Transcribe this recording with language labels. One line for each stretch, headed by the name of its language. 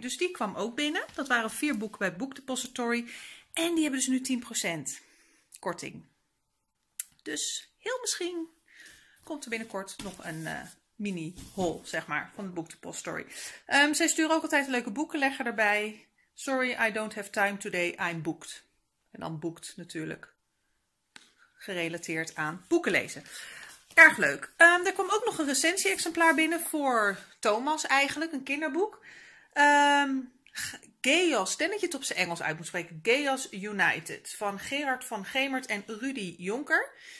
Dutch: Dus die kwam ook binnen. Dat waren 4 boeken bij Book Depository. En die hebben dus nu 10% korting. Dus heel misschien komt er binnenkort nog een mini haul, zeg maar, van de Book Depository. Zij sturen ook altijd een leuke boekenlegger erbij.
English: Sorry, I don't have time today, I'm booked.
Dutch: En dan booked natuurlijk gerelateerd aan boeken lezen. Erg leuk. Er kwam ook nog een recensie-exemplaar binnen voor Thomas eigenlijk, een kinderboek. Geos, denk dat je het op zijn Engels uit moet spreken. Geos United van Gerard van Gemert en Rudy Jonker.